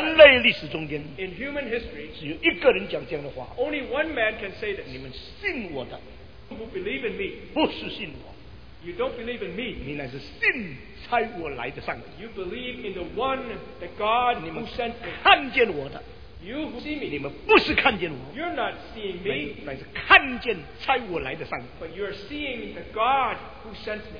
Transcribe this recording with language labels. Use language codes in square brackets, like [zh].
[zh] 人类历史中间 [en] in human history, [zh] 只有一个人讲这样的话。 [en] Only one man can say this. [zh] 你们信我的。 [en] Who believe in me, [zh] 不是信我, [en] You don't believe in me. [zh] 你乃是信差我来的上帝。 [en] You believe in the one that God who sent me. [zh] 看见我的。 [en] You who see me. [zh] 你们不是看见我。 [en] You're not seeing me. [zh] 乃是看见差我来的上帝。 [en] But you're seeing the God who sent me.